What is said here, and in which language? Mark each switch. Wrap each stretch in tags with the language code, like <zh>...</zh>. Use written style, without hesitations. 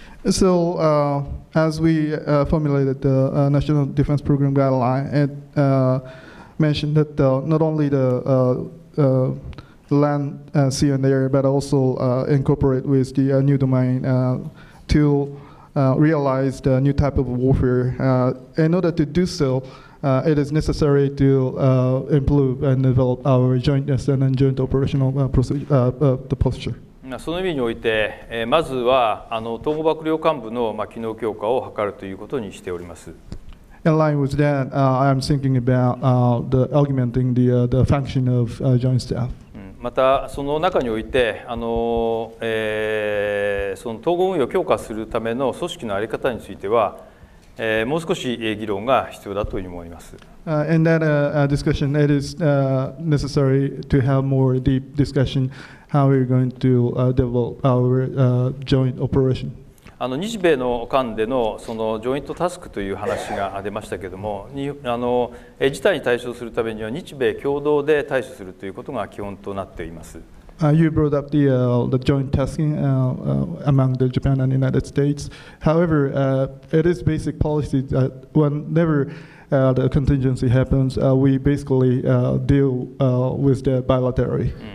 <en>So as we formulated the National Defense Program Guideline itMentioned that not only the land, sea, and air, but also incorporate with the new domain to realize the new type of warfare. In order to do so, it is necessary to improve and develop our jointness and joint operational the posture.</en> <ja>その意味において、まずは統合幕僚監部の機能強化を図るということにしております。</ja> <en>In line with that, I'm thinking about the augmenting the, the function of joint staff.</en> <ja>またその中において、その統合運用を強化するための組織のあり方については、もう少し議論が必要だというふうに思います。</ja> <en>In that discussion, it is necessary to have more deep discussion how we're going to develop our joint operation.</en> <ja>日米の間で の, そのジョイントタスクという話が出ましたけれども、事態に対処するためには日米共同で対処するということが基本となっています。</ja> <en>You brought up the, the joint tasking among the Japan and United States. However, it is basic policy that whenever the contingency happens, we basically deal with the bilaterally.</en>